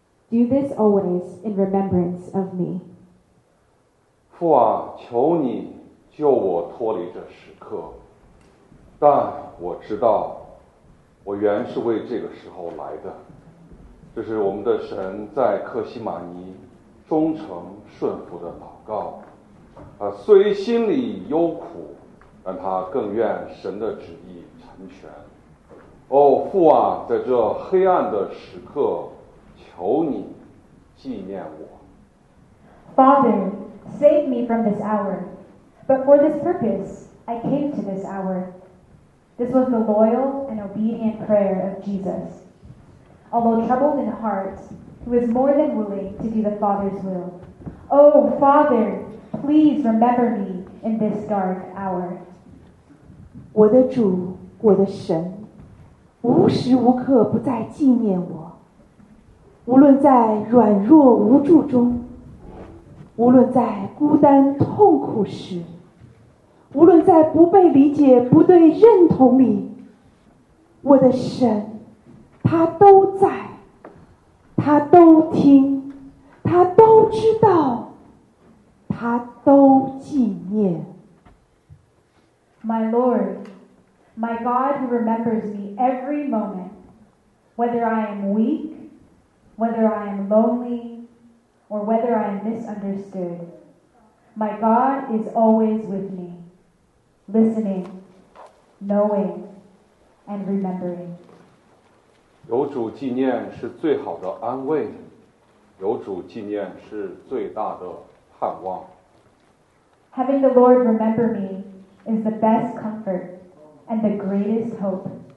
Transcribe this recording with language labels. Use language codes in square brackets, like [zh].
[en] Do this always in remembrance of me." [zh] 父啊，求你救我脱离这时刻，但我知道，我原是为这个时候来的。这是我们的神在客西马尼忠诚顺服的祷告。他虽心里忧苦，但他更愿神的旨意成全。哦，父啊，在这黑暗的时刻，求你纪念我。 [en] Father. Save me from this hour. But for this purpose, I came to this hour. This was the loyal and obedient prayer of Jesus. Although troubled in heart, he was more than willing to do the Father's will. Oh, Father, please remember me in this dark hour. [zh] 我的主，我的神，无时无刻不在纪念我。无论在软弱无助中，无论在孤单痛苦时，无论在不被理解、不对认同里，我的神，他都在，他都听，他都知道，他都纪念。 [en] My Lord, my God who remembers me every moment, whether I am weak, whether I am lonely,or whether I am misunderstood. My God is always with me, listening, knowing, and remembering. [zh] 有主纪念是最好的安慰，有主纪念是最大的盼望。 [en] Having the Lord remember me is the best comfort and the greatest hope.